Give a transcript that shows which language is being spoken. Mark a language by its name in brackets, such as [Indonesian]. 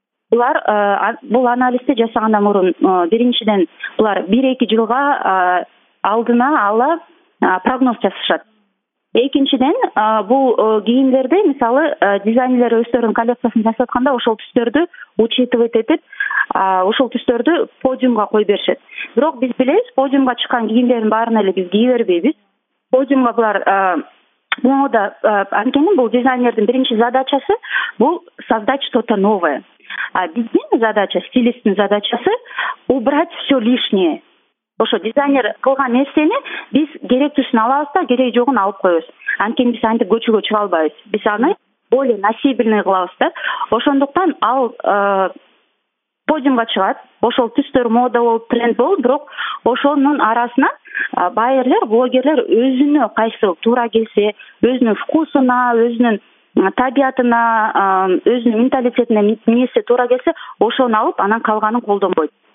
[Kyrgyz] Булар бул анализди жасагандан мурун биринчиден булар 1-2 жылга алдына ала прогноз жасашат. Экинчиден бул кийимдерди мисалы дизайнерлер өздөрүнүн коллекциясын жасатканда ошол түстөрдү учитывать этип, ошол түстөрдү подиумга кое беришет. Бирок биз билебиз, подиумга чыккан кийимдердин баарын эле биз кий бербейбиз. Подиумга булар мода, анткени бул дизайнердин биринчи задачасы бул [Russian] создать что-то новое. А [Kyrgyz] биздин [Russian] задача, [Kyrgyz] стилисттин задачасы [Russian] убрать все лишнее. [Kyrgyz] Ошо дизайнер кылган нерсени биз керектүүсүн алабыз да, кереги жогун алып коебуз. Анткени биз антип көчүгө чыга албайбыз. Биз аны [Russian] более носибельный [Kyrgyz] кылабыз да. Ошондуктан ал подиумга чыгат. Ошол түстөр мода болуп, тренд болуп, бирок ошонун арасына байерлер, блогерлер өзүнө кайсы туура келсе, өзүнүн вкусуна, өзүнүн табиятына, өзүнүн менталитетине мээси туура келсе, ошону алып, анан калганын колдонбойт.